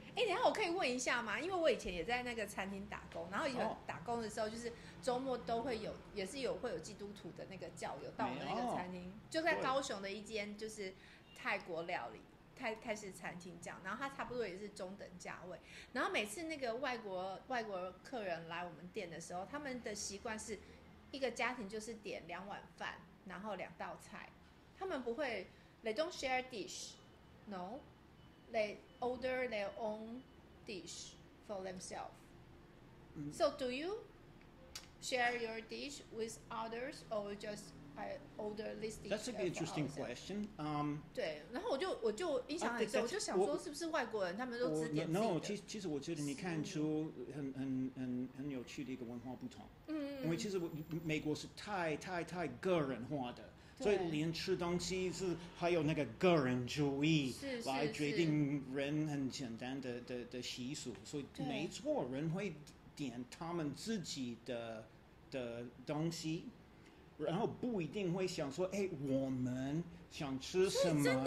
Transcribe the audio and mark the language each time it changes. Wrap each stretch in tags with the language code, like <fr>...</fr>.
<zh>等一下我可以问一下吗？因为我以前也在那个餐厅打工，然后以前打工的时候，就是周末都会有，也是有会有基督徒的那个教友到那个餐厅，就在高雄的一间就是泰国料理。泰式餐厅这样，然后它差不多也是中等价位。然后每次那个外国客人来我们店的时候，他们的习惯是一个家庭就是点两碗饭，然后两道菜。他们不会</zh> <en>，they don't share dish， no， they order their own dish for themselves。 So do you share your dish with others or just？ That's an interesting question.</en> <zh>对，然后我就印象很深，我就想说是不是外国人他们都只点自己的。 No， 其实我觉得你看出很有趣的一个文化不同。因为其实美国是太个人化的，所以连吃东西是还有那个个人主义来决定人很简单 的习俗，所以没错，人会点他们自己 的东西，然后不一定会想说，哎，我们想吃什么，</zh>